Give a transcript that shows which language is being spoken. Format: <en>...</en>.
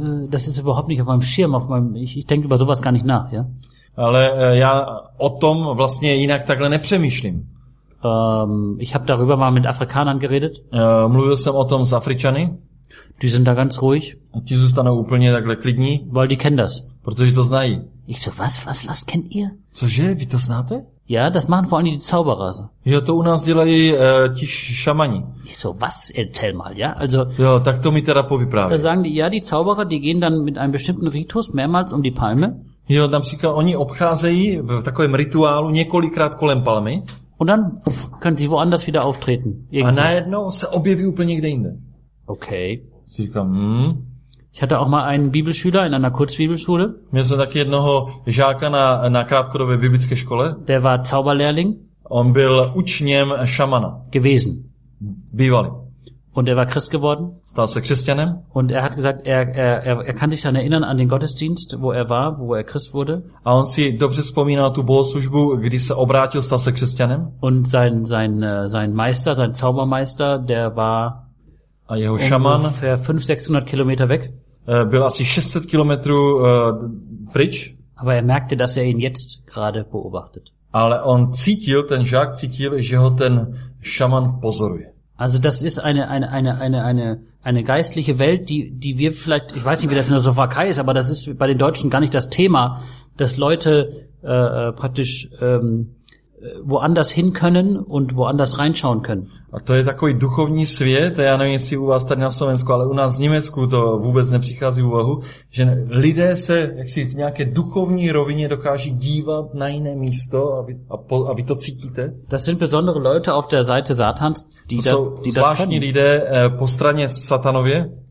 <de>Das ist überhaupt nicht auf meinem Schirm, ich denke über sowas gar nicht nach, ja?</de> <cs>Ale já o tom vlastně jinak takhle nepřemýšlím.</cs> <de>Ich habe darüber mal mit Afrikanern geredet.</de> <cs>Mluvil jsem o tom s Afričany.</cs> <de>Die sind da ganz ruhig.</de> <cs>A ti zůstanou úplně takhle klidní.</cs> <de>Weil die kennen das.</de> <cs>Protože to znají.</cs> <de>Ich so, was kennt ihr?</de> <cs>Cože, vy to znáte?</cs> <de>Ja, das machen vor allem die Zauberer.</de> <cs>Jo, to u nás dělají ti šamani.</cs> <de>Ich so, was, erzähl mal, ja? Also,</de> <cs>jo, tak to mi teda povyprávě.</cs> <de>Sagen die, ja, die Zauberer, die gehen dann mit einem bestimmten Ritus mehrmals um die Palme.</de> <cs>Jo, například oni obcházejí v takovém rituálu několikrát kolem palmy.</cs> <de>Und dann können sie woanders wieder auftreten. Irgendwie.</de> <cs>A najednou se objeví úplně někde jinde. Okay.</cs> <de>Sie</de> <cs>říká,</cs> <de>Ich hatte auch mal einen Bibelschüler in einer Kurzbibelschule.</de> <cs>Měl jsem taky jednoho žáka na krátkodobé biblické škole.</cs> <de>Der war Zauberlehrling.</de> <cs>On byl učněm šamana.</cs> <de>Gewesen.</de> <cs>Bývalý.</cs> <de>Und er war Christ geworden.</de> <cs>Stal se křesťanem.</cs> <de>Und er hat gesagt, er kann sich dann erinnern an den Gottesdienst, wo er war, wo er Christ wurde.</de> <cs>A on si dobře vzpomínal tu bohoslužbu, kdy se obrátil, stal se křesťanem.</cs> <de>Und sein Meister, sein Zaubermeister, der war</de> <cs>a jeho šaman</cs> <de>ungefähr 500-600 Kilometer weg.</de> <cs>Byl asi 600 kilometrů pryč.</cs> <de>Aber er merkte, dass er ihn jetzt gerade beobachtet.</de> <cs>Ale on cítil, ten žák cítil, že ho ten šaman pozoruje.</cs> <de>Also das ist eine geistliche Welt, die wir vielleicht, ich weiß nicht, wie das in der Slowakei ist, aber das ist bei den Deutschen gar nicht das Thema, dass Leute praktisch woanders hin können und woanders reinschauen können.</de> <cs>A to je takový duchovní svět, já nevím, jestli u vás tady na Slovensku, ale u nás v Německu to vůbec nepřichází v úvahu, že lidé se jaksi v nějaké duchovní rovině dokáží dívat na jiné místo a vy to cítíte.</cs> <de>Das sind besondere Leute auf der Seite Satans, die das können.</de> <cs>To jsou zvláštní lidé po straně Satanově.</cs>